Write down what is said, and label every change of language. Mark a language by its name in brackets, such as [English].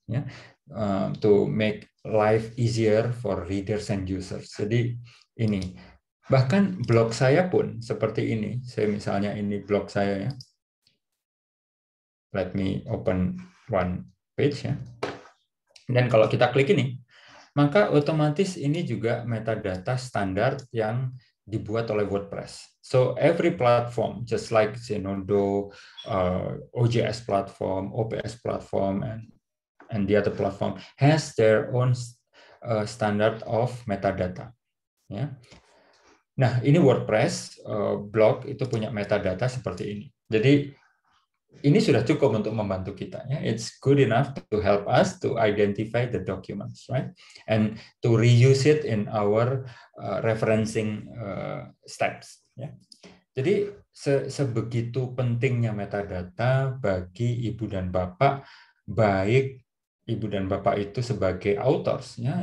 [English] ya, to make life easier for readers and users. [Indonesian] Jadi ini, bahkan blog saya pun seperti ini. Saya misalnya ini blog saya ya. [English] Let me open one page [Indonesian] ya. Dan kalau kita klik ini, maka otomatis ini juga metadata standar yang dibuat oleh WordPress. [English] So every platform, just like Zenodo, OJS platform, OPS platform, and the other platform has their own standard of metadata. [Indonesian] Ya. Nah, ini WordPress blog itu punya metadata seperti ini. Jadi ini sudah cukup untuk membantu kita. Ya. [English] It's good enough to help us to identify the documents, right? And to reuse it in our referencing steps. Ya. [Indonesian] Jadi sebegitu pentingnya metadata bagi ibu dan bapak, baik ibu dan bapak itu sebagai authors. Ya.